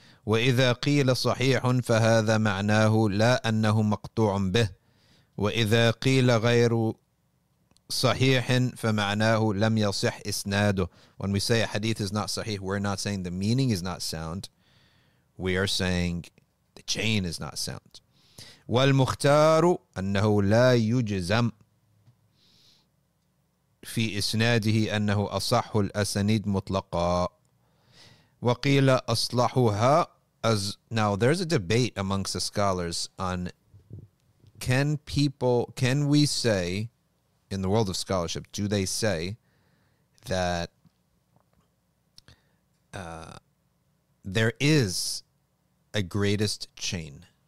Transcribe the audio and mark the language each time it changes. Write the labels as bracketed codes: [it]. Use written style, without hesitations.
[ar] وَإِذَا قِيلَ صَحِيحٌ فَهَذَا مَعْنَاهُ لَا أَنَّهُ مَقْطُوعٌ بِهِ وَإِذَا قِيلَ غَيْرُ صَحِيحٍ فَمَعْنَاهُ لَمْ يَصِحْ إِسْنَادُ. [en] When we say a hadith is not sahih, we're not saying the meaning is not sound. We are saying the chain is not sound. [ar] والمختار أنه لا يجزم في إسناده أنه أصح الأسانيد مطلقا وقيل أصلحها. [en] As now, there's a debate amongst the scholars on can we say in the world of scholarship, do they say that there is a greatest chain?